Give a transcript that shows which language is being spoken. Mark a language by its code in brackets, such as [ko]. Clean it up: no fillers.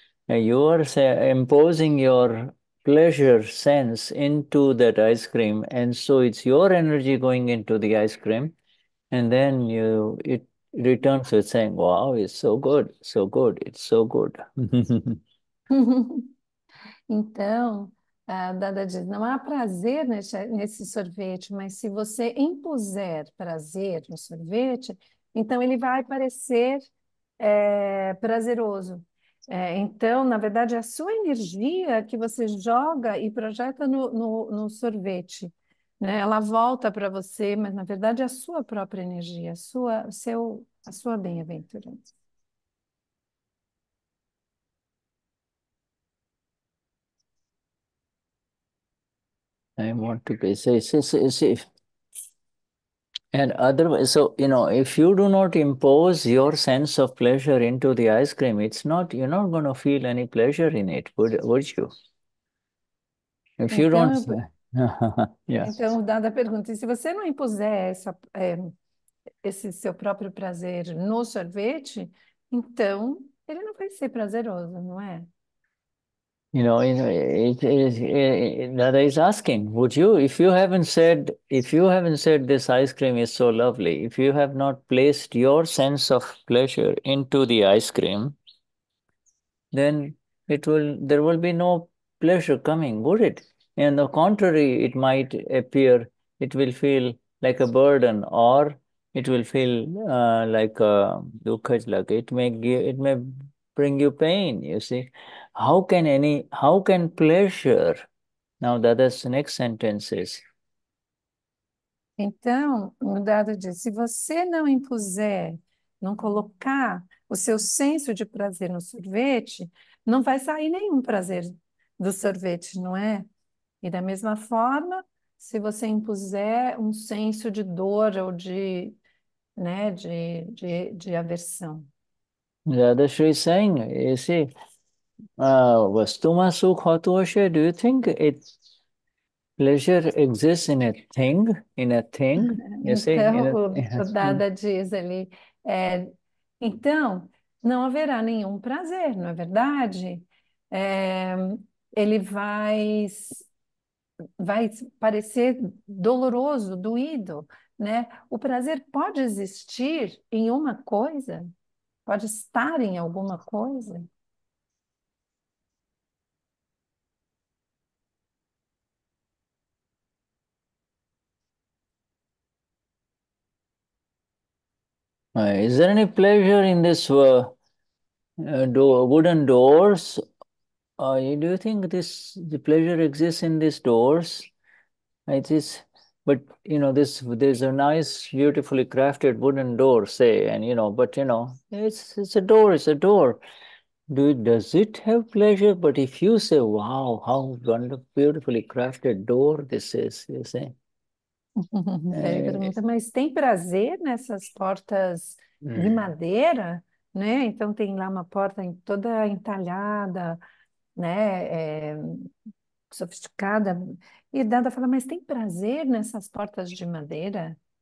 [en] You are say, imposing your pleasure sense into that ice cream, and so it's your energy going into the ice cream, and then you it returns with saying, "Wow, it's so good, so good, it's so good." [pt] Então, Dada diz, não há prazer nesse sorvete, mas se você impuser prazer no sorvete, então ele vai parecer prazeroso. Então, na verdade, é a sua energia que você joga e projeta no sorvete, né? Ela volta para você, mas na verdade é a sua própria energia, a sua bem-aventurança. [en] I want to be say, and otherwise, so you know, if you do not impose your sense of pleasure into the ice cream, it's not, you're not going to feel any pleasure in it, would you? If you don't, [pt] Então, dada a pergunta, se você não impuser esse seu próprio prazer no sorvete, então ele não vai ser prazeroso, não é? [en] You know, that is asking, would you, if you haven't said this ice cream is so lovely, if you have not placed your sense of pleasure into the ice cream, then there will be no pleasure coming, would it? And the contrary, it might appear, it will feel like a burden, or it will feel like a dukkha, like it may bring you pain, you see. How can pleasure, now that is the next sentence is. [pt] Então, o dado diz, se você não impuser, não colocar o seu senso de prazer no sorvete, não vai sair nenhum prazer do sorvete, não é? E da mesma forma, se você impuser um senso de dor ou de, né, de aversão. [en] Dadashri is saying, you see, [gu] vastuma sukhatosha, [en] do you think it's pleasure exists in a thing? In a thing, you see, in [pt] Então, o [en] a thing. [pt] Dada diz ali, então, não haverá nenhum prazer, não é verdade? Ele vai parecer doloroso, doído, né? O prazer pode existir em uma coisa? Pode estar em alguma coisa? [en] Is there any pleasure in this wooden doors? Do you think the pleasure exists in these doors? It is, but you know, there's a nice, beautifully crafted wooden door, say, and you know, but you know, it's a door, it's a door. Does it have pleasure? But if you say, wow, how wonderful, beautifully crafted door this is, you say. [pt] Ele pergunta, mas tem prazer nessas portas de madeira, né? Então tem lá uma porta toda entalhada, né? Sofisticada. E Dada fala, mas tem prazer nessas portas de madeira?